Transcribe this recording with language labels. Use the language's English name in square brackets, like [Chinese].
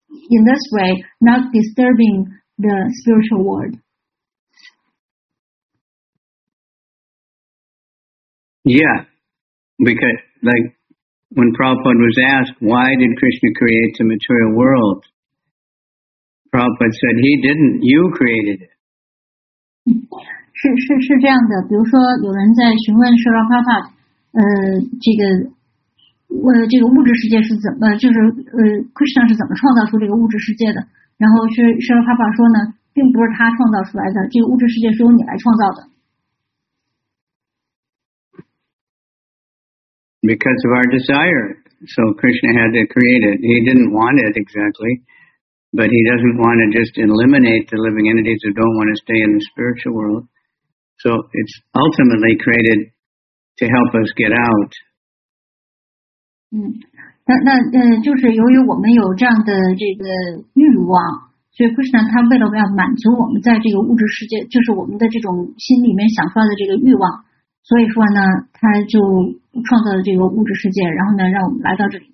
[English] In this way, not disturbing the spiritual world. Yeah, because like when Prabhupada was asked, why did Krishna create the material world? Prabhupada said, he didn't, you created it. [Chinese] 是这样的，比如说有人在询问说拉帕帕，这个物质世界是怎么，就是Krishna 是怎么创造出这个物质世界的？然后是拉帕帕说呢，并不是他创造出来的，这个物质世界是由你来创造的。 [English] Because of our desire, so Krishna had to create it. He didn't want it exactly, but he doesn't want to just eliminate the living entities that don't want to stay in the spiritual world. So it's ultimately created to help us get out. [Chinese] 那就是由于我们有这样的这个欲望，所以 Krishna 他为了要满足我们在这个物质世界，就是我们的这种心里面想出来的这个欲望，所以说呢，他就创造了这个物质世界，然后呢，让我们来到这里。